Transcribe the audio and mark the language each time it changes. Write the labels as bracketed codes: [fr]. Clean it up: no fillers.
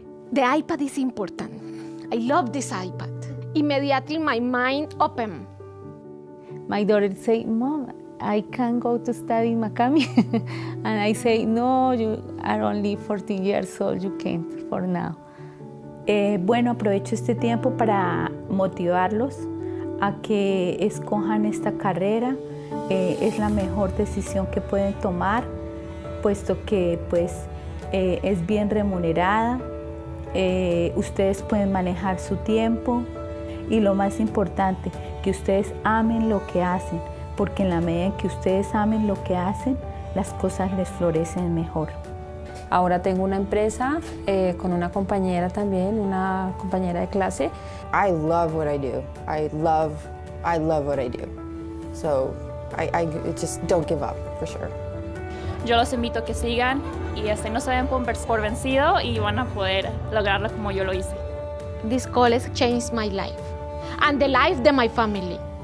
[en] The iPad is important. I love this iPad. Immediately, my mind open. My daughter say, Mom, I can't go to study in MaKami. And I say, no, you are only 14 years old. You can't for now. [es] Bueno, aprovecho este tiempo para motivarlos a que escojan esta carrera. Es la mejor decisión que pueden tomar, puesto que pues es bien remunerada. Ustedes pueden manejar su tiempo y lo más importante, que ustedes amen lo que hacen, porque en la medida en que ustedes amen lo que hacen, las cosas les florecen mejor. Ahora tengo una empresa con una compañera también, una compañera de clase. [en] I love what I do. I love what I do. So, I just don't give up, for sure. [es] Yo los invito a que sigan y así no se den por vencido y van a poder lograrlo como yo lo hice. [en] This college changed my life and the life of my family.